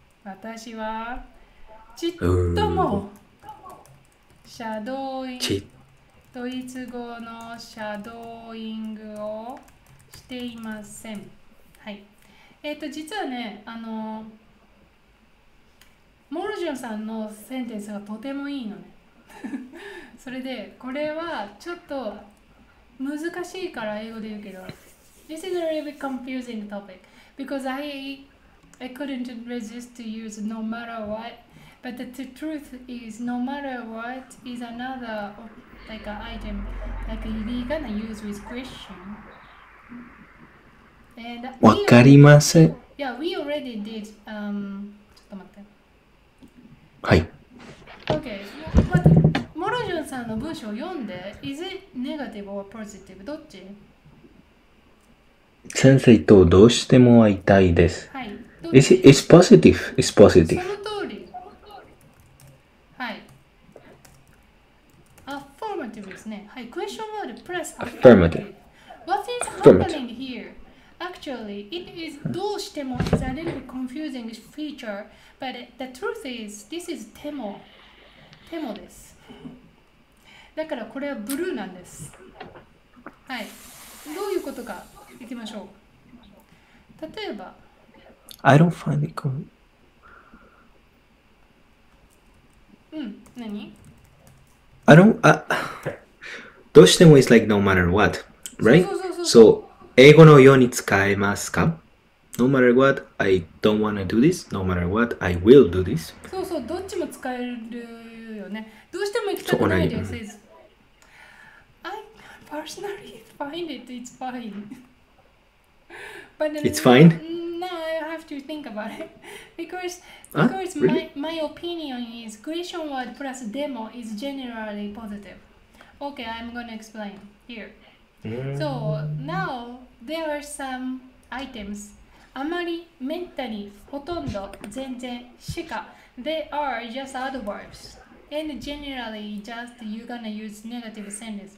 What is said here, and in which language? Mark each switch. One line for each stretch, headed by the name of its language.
Japanese: 私は、ちっとも、シャドーイング。ドイツ語のシャドーイングをしていません。はい。実はね、モルジュンさんのセンテンスがとてもいいのね。それで、これはちょっと難しいから英語で言うけど、
English: This is a little bit confusing topic because I couldn't resist to use no matter what, but the truth is no matter what is another of,like an item, like you're gonna use with question. And
Japanese: わかりません。
English: Yeah, we already did,
Japanese: ちょっと待って。はい。
English: Okay, but,
Japanese: モロジュンさんの文章を読んで、
English: is it negative or positive?
Japanese: どっち？先生とどうしても会いたいです。はい。
English: It's positive, it's positive.
Japanese: その通り。はい。 Affirmative ですね。はい。
English: Question word plus affirmative. What is happening here? Actually, it is どうしても is a little confusing feature, but the truth is, this is temo.
Japanese: Temo です。だからこれはブルーなんです。はい。どういうことか行きましょう。例えば、
English: I don't find it cool.
Japanese: うん、何？
English: I don't, どうしても is like no matter what, right?
Japanese: そう、英語のように使えますか？
English: No matter what, I don't wanna do this. No matter what, I will do this.
Japanese: そうそう、どっちも使えるよね。どうしても行きたくないです。
English: I personally find it, it's fine. But then, it's fine? No, I have to think about it. Because really? my opinion is question word plus demo is generally positive. Okay, I'm going to explain here. So now there are some items.
Japanese: あまり、めったに、ほとんど、全然、しか。
English: They are just adverbs. And generally just you're going to use negative sentence.